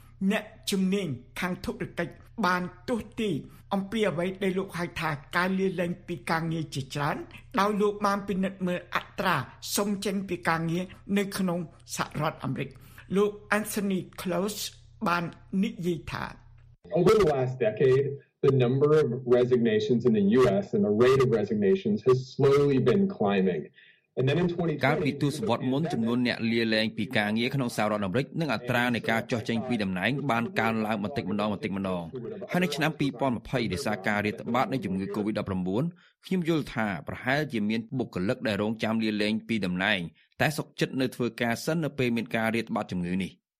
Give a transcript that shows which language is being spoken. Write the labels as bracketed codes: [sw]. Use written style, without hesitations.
[km] អ្នកជំនាញខាងធុរកិច្ចបានទស្សន៍ទីអំពីអ្វីដែលលោកហៅថាការលាលែងពីការងារជាច្រើនដោយលោកបានពិនិត្យមើលអត្រាសំចេញពីការងារនៅក្នុងសហរដ្ឋអាមេរិកលោក Anthony Klaus បាននិយាយថា [en] Over the last decade the number of resignations in the US and the rate of resignations has slowly been climbing and then in 2020 [km] ការពីទស្សវត្សមុនចំនួនអ្នកលាលែងពីការងារក្នុងសហរដ្ឋអាមេរិកនិងអត្រានៃការចោះចេញពីតំណែងបានកើនឡើងបន្តិចម្ដងបន្តិចម្ដងហើយនៅឆ្នាំ2020ដោយសារការរាតត្បាតនៃជំងឺ COVID-19 ខ្ញុំយល់ថាប្រហែលជាមានបុគ្គលិកដែលរងចាំលាលែងពីតំណែងតែសុខចិត្តនៅធ្វើការសិននៅពេលមានការរាតត្បាតជំងឺនេះ